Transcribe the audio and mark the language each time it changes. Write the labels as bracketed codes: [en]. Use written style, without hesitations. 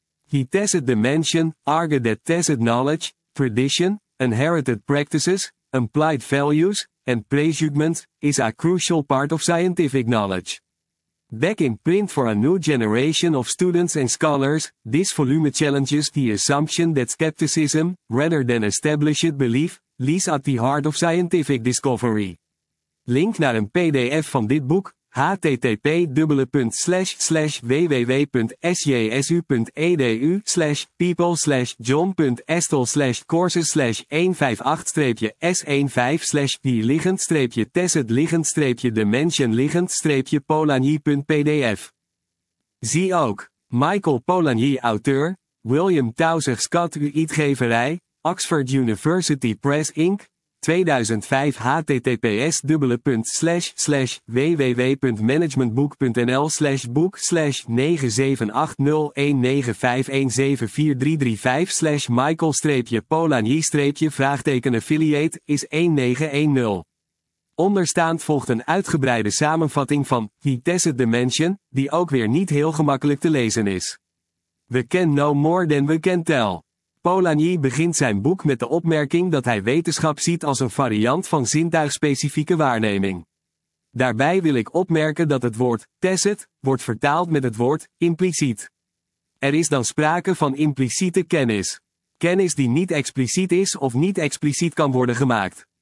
[en] He tested the mention, argued that tested knowledge, tradition, inherited practices, implied values, and prejudgment, is a crucial part of scientific knowledge. Back in print for a new generation of students and scholars, this volume challenges the assumption that skepticism, rather than established belief, lies at the heart of scientific discovery. [nl] Link naar een PDF van dit boek, http://www.sjsu.edu/people/john.estel/courses/158-s15-d-dimension-polanyi.pdf. Zie ook, Michael Polanyi auteur, William Tausig Scott uitgeverij, Oxford University Press Inc., 2005 https://www.managementboek.nl/book/97801954335/Michael-Polanyi-vraagteken-affiliate-is1910. Onderstaand volgt een uitgebreide samenvatting van Vitesse Dimension, die ook weer niet heel gemakkelijk te lezen is. [en] We can know more than we can tell. [nl] Polanyi begint zijn boek met de opmerking dat hij wetenschap ziet als een variant van zintuigspecifieke waarneming. Daarbij wil ik opmerken dat het woord tacit wordt vertaald met het woord impliciet. Er is dan sprake van impliciete kennis. Kennis die niet expliciet is of niet expliciet kan worden gemaakt.